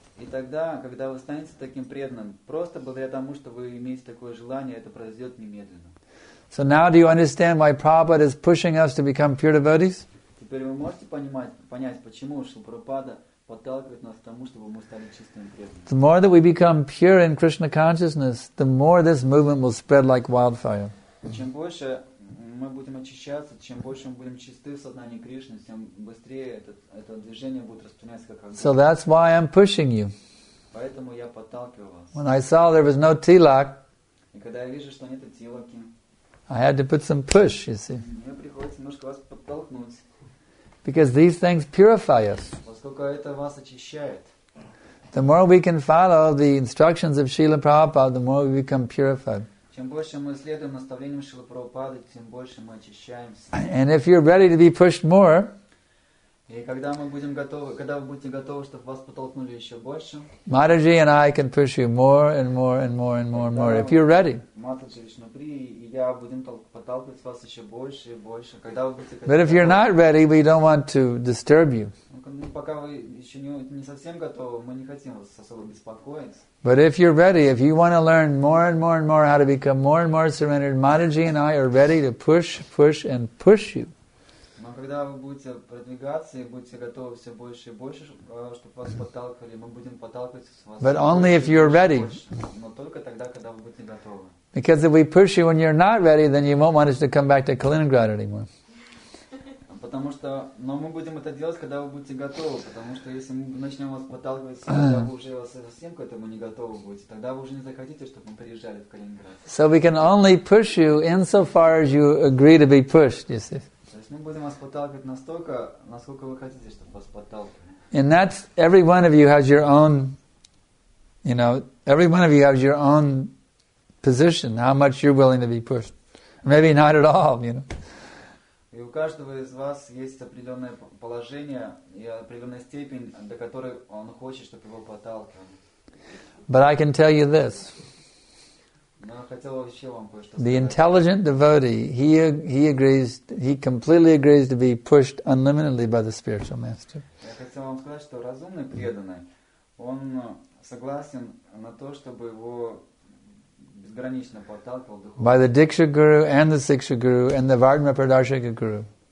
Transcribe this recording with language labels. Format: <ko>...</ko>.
<ru>И тогда, когда вы станете таким преданным, просто благодаря тому, что вы имеете такое желание, это произойдет немедленно.</ru> <en>So now do you understand why Prabhupada is pushing us to become pure devotees?</en> <ru>Теперь вы можете понять, почему Шрила Прабхупада подталкивает нас к тому, чтобы мы стали чистыми преданными.</ru> <en>The more that we become pure in Krishna consciousness, the more this movement will spread like wildfire.</en> <ru>Чем больше мы будем очищаться, чем больше мы будем чисты в сознании Кришны, тем быстрее это движение будет распространяться как огонь.</ru> <en>So that's why I'm pushing you.</en> <ru>Поэтому я подталкиваю вас.</ru> <en>When I saw there was no tilak,</en> <ru>и когда я вижу, что нет тилаки,</ru> <en>I had to put some push, you see.</en> <ru>Мне приходится немножко вас подтолкнуть.</ru> <en>Because these things purify us.</en> <ru>Поскольку это вас очищает.</ru> <en>The more we can follow the instructions of Srila Prabhupada, the more we become purified.</en> <ru>Чем больше мы следуем наставлениям Шрилы Прабхупады, тем больше мы очищаемся.</ru> <en>And if you're ready to be pushed more,</en> <ru>и когда мы будем готовы, когда вы будете готовы, чтобы вас подтолкнули еще больше,</ru> <en>Матаджи and I can push you more and more and more and more and more, if you're ready.</en> <ru>Матаджи и Шнапри, и я будем подталкивать вас еще больше и больше, когда вы будете готовы.</ru> <en>But if you're not ready, we don't want to disturb you.</en> <ru>Пока вы еще не совсем готовы, мы не хотим вас особо беспокоить.</ru> <en>But if you're ready, if you want to learn more and more and more how to become more and more surrendered, Mataji and I are ready to push, push and push you.</en> <ru>Но когда вы будете продвигаться и будете готовы все больше и больше, чтобы вас подталкивали, мы будем подталкивать вас.</ru> <en>But only if you're ready.</en> <ru>Но только тогда, когда вы будете готовы.</ru> <en>Because if we push you when you're not ready, then you won't want us to come back to Kaliningrad anymore.</en> <ru>Потому что, но мы будем это делать, когда вы будете готовы. Потому что если мы начнем вас подталкивать, тогда вы уже совсем к этому не готовы будете. Тогда вы уже не захотите, чтобы мы приезжали в Калининград.</ru> <en>So we can only push you insofar as you agree to be pushed, you see.</en> <ru>То есть мы будем вас подталкивать настолько, насколько вы хотите, чтобы вас подталкивали.</ru> <en>And that's every one of you has your own, you know, every one of you has your own position. How much you're willing to be pushed? Maybe not at all, you know.</en> <ru>И у каждого из вас есть определенное положение и определенная степень, до которой он хочет, чтобы его подталкивали.</ru> <en>But I can tell you this.</en> <ru>Но я хотел вообще вам кое-что сказать.</ru> <en>The intelligent devotee, he completely agrees to be pushed unlimitedly by the spiritual master.</en> <ru>Я хотел вам сказать, что разумный преданный, он согласен на то, чтобы его</ru> <en>by the Diksha Guru and the Siksha Guru and the Vardhma Pradarshika Guru.</en>